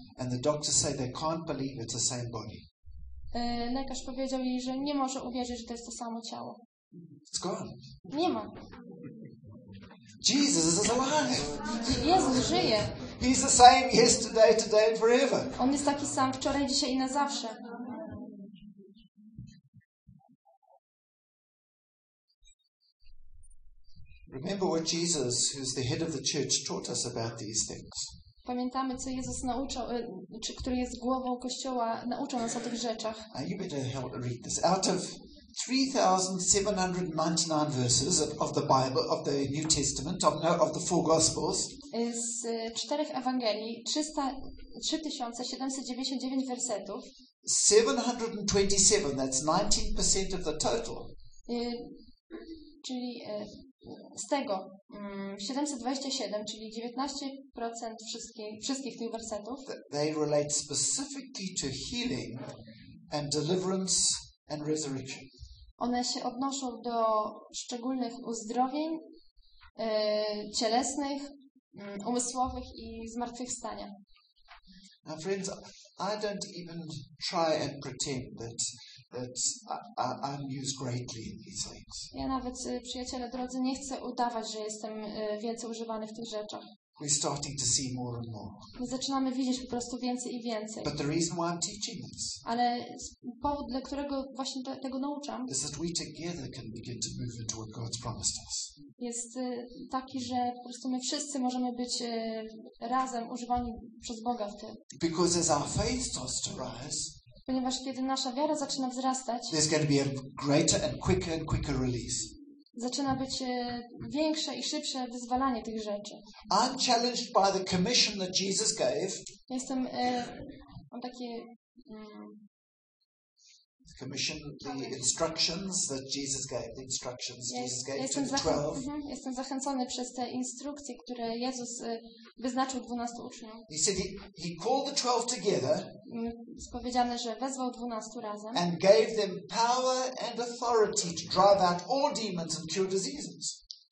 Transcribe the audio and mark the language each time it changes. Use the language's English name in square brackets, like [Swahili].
[English] And the doctors say they can't believe it's the same body. [Polish] Lekarz powiedział jej, że nie może uwierzyć, że to jest to samo ciało. [English] It's gone. [Polish] Nie ma. [English] Jesus is alive. [Polish] Jezus żyje. [English] He's the same yesterday, today, and forever. [Polish] On jest taki sam wczoraj, dzisiaj i na zawsze. [English] Remember what Jesus, who's the head of the church, taught us about these things. [Polish] Pamiętamy, co Jezus nauczał, czy który jest głową kościoła, nauczał nas o tych rzeczach. [English] And you better help read this out of 3,799 verses of the Bible, of the New Testament, of the four Gospels. [Polish] Z czterech Ewangelii 3,799 wersetów. [English] 727, that's 19% of the total. [Polish] Czyli z tego 727, czyli 19% wszystkich tych wersetów. [English] They relate specifically to healing and deliverance and resurrection. [Polish] One się odnoszą do szczególnych uzdrowień cielesnych, umysłowych i zmartwychwstania. [English] Now friends, I don't even try and pretend that I'm used greatly in these things. [Polish] Ja nawet, przyjaciele drodzy, nie chcę udawać, że jestem więcej używany w tych rzeczach. [English] We're starting to see more and more. [Polish] My zaczynamy widzieć po prostu więcej i więcej. [English] But the reason why I'm teaching this, [Polish] ale powód, dla którego właśnie tego nauczam, [English] is that we together can begin to move into what God's promised us. [Polish] Jest taki, że po prostu my wszyscy możemy być razem używani przez Boga w tym. [English] Because as our faith starts to rise, [Polish] ponieważ kiedy nasza wiara zaczyna wzrastać, [English] there's going to be a greater and quicker release. [Polish] Zaczyna być większe i szybsze wyzwalanie tych rzeczy. [English] I'm challenged by the commission that Jesus gave. [Polish] Jestem mam takie [English] the commission, the instructions that Jesus gave, the instructions Jesus gave to the 12. [Polish] Jestem zachęcony przez te instrukcje, które Jezus wyznaczył 12 uczniom. [English] He said he called the 12 together. [Polish] Jest powiedziane, że wezwał 12 razem. [English] And gave them power and authority to drive out all demons and cure diseases.